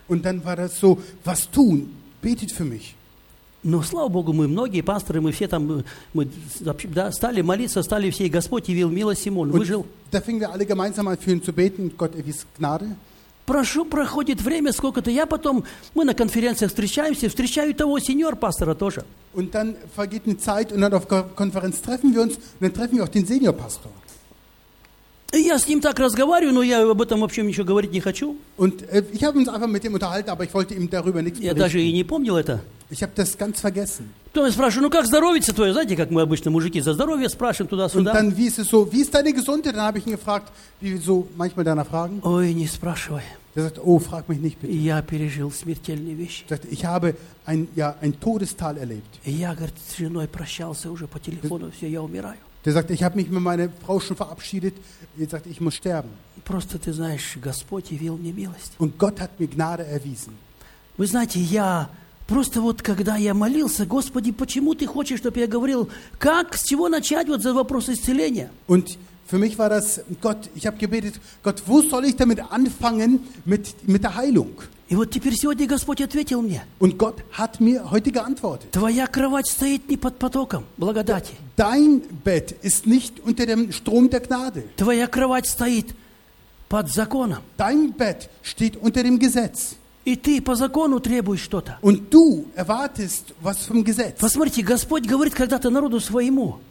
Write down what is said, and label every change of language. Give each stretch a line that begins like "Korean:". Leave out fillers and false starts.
German: Und dann war das so: "Was tun? Betet für mich."
Russian: Но слава Богу, мы многие пасторы, мы все там, мы да, стали молиться, стали все, и Господь явил милость ему, он выжил.
German: Da fingen wir alle gemeinsam an für ihn zu beten, Gott erwies Gnade.
Russian: Прошу, проходит время, сколько-то я потом, мы на конференциях встречаемся, встречаю того сеньор пастора тоже.
German: Und dann vergeht eine Zeit und dann auf Konferenz treffen wir uns, und dann treffen wir auch den Seniorpastor.
Russian: И я с ним так разговариваю, но я об этом вообще ничего говорить не хочу.
German: Und ich habe uns einfach mit ihm unterhalten, aber ich wollte ihm darüber nichts berichten.
Russian: Я даже и не помнил это.
German: Ich habe das ganz vergessen.
Russian: То я спрашиваю: "Ну как здоровье твое?" Знаете, как мы обычно мужики за здоровье спрашиваем туда-сюда.
German: Und dann wie ist es so, wie ist deine Gesundheit? Dann habe ich ihn gefragt, wie wir so manchmal danach fragen.
Russian: Ой, не спрашивай.
German: Er sagt: "Oh, frag mich nicht, bitte."
Russian: Я пережил смертельные вещи.
German: Er sagt: "Ich habe ein, ja, ein Todestal erlebt."
Russian: Я, говорит, с женой прощался уже по телефону, все, я умираю.
German: Der sagt: "Ich habe mich mit meiner Frau schon verabschiedet." Er sagt: "Ich muss sterben."
Russian: Просто ты знаешь, Господь явил мне милость.
German: Und Gott hat mir Gnade erwiesen.
Russian: Вы знаете, я просто вот когда я молился, Господи, почему ты хочешь, чтобы я говорил, как, с чего начать вот за вопрос исцеления?
German: Und für mich war das, Gott, ich habe gebetet, Gott, wo soll ich damit anfangen mit der Heilung?
Russian: И вот теперь сегодня Господь ответил мне.
German: Und Gott hat mir heute geantwortet.
Russian: Твоя кровать стоит не под потоком благодати.
German: Dein Bett ist nicht unter dem Strom der Gnade.
Russian: Твоя кровать стоит под законом.
German: Dein Bett steht unter dem Gesetz.
Russian: И ты по закону требуешь что-то.
German: Und du erwartest was vom Gesetz.
Russian: Посмотрите, Господь говорит когда-то народу своему.